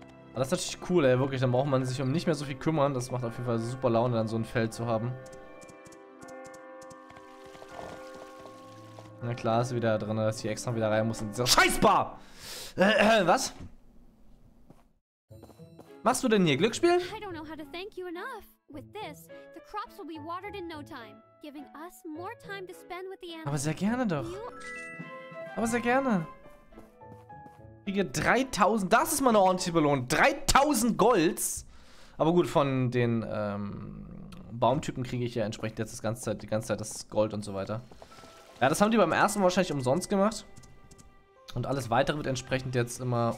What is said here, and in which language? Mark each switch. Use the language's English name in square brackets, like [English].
[German] Aber das ist natürlich cool, ey, wirklich. Dann braucht man sich um nicht mehr so viel kümmern. Das macht auf jeden Fall super Laune, dann so ein Feld zu haben. Na klar, ist wieder drin, dass hier extra wieder rein muss in dieser Scheißbar! Was? Machst du denn hier Glücksspiel? [English] I don't know how to thank you enough. With this, the crops will be watered in no time, giving us more time to spend with the animals. [German] Aber sehr gerne doch. Aber sehr gerne. Ich kriege 3000, das ist meine ordentliche Belohnung. 3000 Golds. Aber gut, von den Baumtypen kriege ich ja entsprechend jetzt die ganze Zeit das Gold und so weiter. Ja, das haben die beim ersten Mal wahrscheinlich umsonst gemacht. Und alles weitere wird entsprechend jetzt immer...